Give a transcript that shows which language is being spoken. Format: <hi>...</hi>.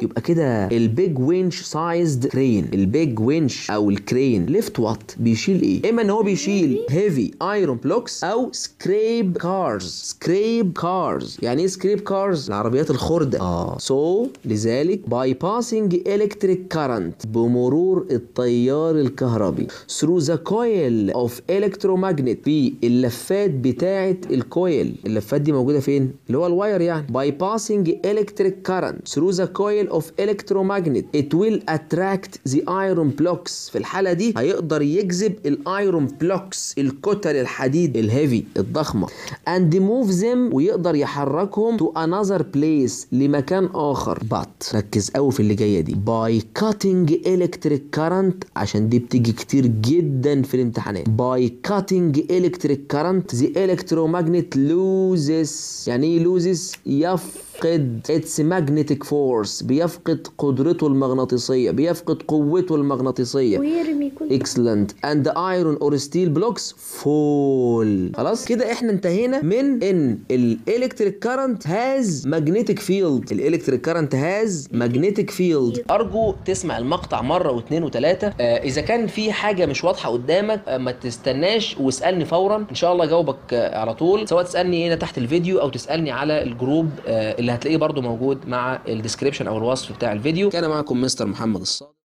<ar>يبقى كده البيج وينش سايزد كرين، البيج وينش او الكرين ليفت وات، بيشيل ايه؟ اما ان هو بيشيل</ar> <en>Heavy iron blocks او scrap cars.</en> <ar>سكريب كارز يعني ايه سكريب كارز؟ العربيات الخرده. لذلك</ar> <en>by passing electric current،</en> <ar>بمرور التيار الكهربي.</ar> <en>through the coil of electromagnet،</en> <ar>في اللفات بتاعه الكويل. اللفات دي موجوده فين؟ اللي هو الواير يعني.</ar> <en>by passing electric current through the coil of electromagnet it will attract the iron blocks.</en> <ar>في الحاله دي هيقدر يجذب الايرون بلوكس، الكتل الحديد الهيفي الضخمه.</ar> <en>and move them،</en> <ar>ويقدر يحركهم</ar> <en>to another place،</en> <ar>لمكان آخر. but ركز قوي في اللي جايه دي.</ar> <en>by cutting electric current،</en> <ar>عشان دي بتيجي كتير جدا في الامتحانات.</ar> <en>by cutting electric current the electromagnet loses.</en> <ar>يعني ايه</ar> <en>loses؟</en> <ar>يفقد بيفقد</ar> <en>its magnetic force،</en> <ar>بيفقد قدرته المغناطيسية، بيفقد قوته المغناطيسية. ويرمي كل</ar> <en>excellent. And the iron or steel blocks fall.</en> <ar>خلاص كده احنا انتهينا من ان الالكتريك كارنت</ar> <en>has magnetic field. الالكتريك current has magnetic field.</en> <ar>ارجو تسمع المقطع مرة واثنين وثلاثة. اذا كان في حاجة مش واضحة قدامك ما تستناش واسألني فورا، ان شاء الله جاوبك على طول، سواء تسألني هنا تحت الفيديو او تسألني على الجروب اللي هتلاقيه برضو موجود مع الديسكريبشن او الوصف بتاع الفيديو. كان معكم مستر محمد الصادق.</ar>